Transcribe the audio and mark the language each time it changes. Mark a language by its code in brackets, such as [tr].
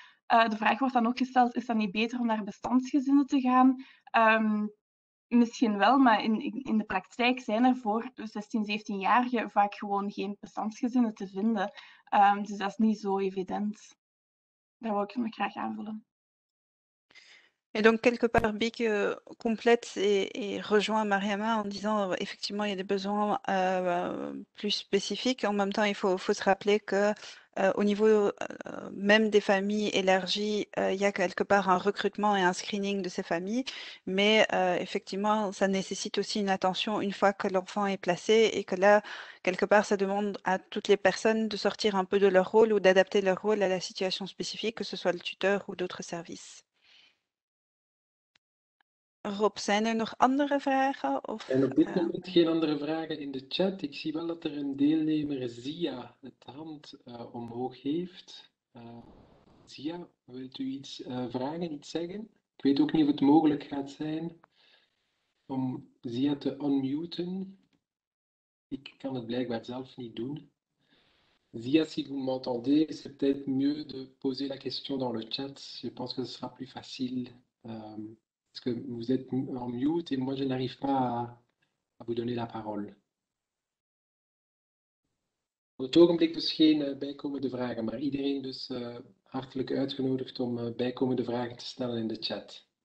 [nl] De vraag wordt dan ook gesteld, is dat niet beter om naar bestandsgezinnen te gaan? Misschien wel, maar in de praktijk zijn er voor 16, 17-jarigen vaak gewoon geen bestandsgezinnen te vinden. Dus dat is niet zo evident. Daar wil ik me graag aanvullen. [fr] Et donc, quelque part, Bic complète et rejoint Mariama en disant effectivement, il y a des besoins plus spécifiques. En même temps, il faut se rappeler que au niveau même des familles élargies, il y a quelque part un recrutement et un screening de ces familles. Mais effectivement, ça nécessite aussi une attention une fois que l'enfant est placé et que là, quelque part, ça demande à toutes les personnes de sortir un peu de leur rôle ou d'adapter leur rôle à la situation spécifique, que ce soit le tuteur ou d'autres services. [nl] Rob, zijn er nog andere vragen? Of, en op dit moment geen andere vragen in de chat. Ik zie wel dat er een deelnemer, Zia, het hand omhoog heeft. Zia, wilt u iets vragen, iets zeggen? Ik weet ook niet of het mogelijk gaat zijn om Zia te unmuten. Ik kan het blijkbaar zelf niet doen. [fr] Zia, si vous m'entendez, c'est peut-être mieux de poser la question dans le chat. Je pense que ce sera plus facile. Parce que vous êtes en mute et moi je n'arrive pas à vous donner la parole. [nl] Op het ogenblik dus geen bijkomende vragen, maar iedereen dus hartelijk uitgenodigd om bijkomende vragen te stellen in de chat.